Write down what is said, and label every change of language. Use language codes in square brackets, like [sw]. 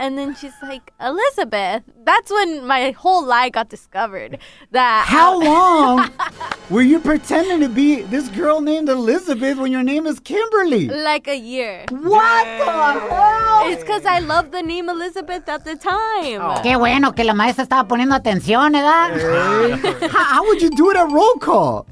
[en] And then she's like, Elizabeth. That's when my whole lie got discovered. That how long were you pretending to be this girl named Elizabeth when your name is Kimberly? Like a year. What the hell? It's because I loved the name Elizabeth at the time. Oh. [es] Qué bueno que la maestra estaba poniendo atención, ¿verdad? [en] How would you do it at roll call?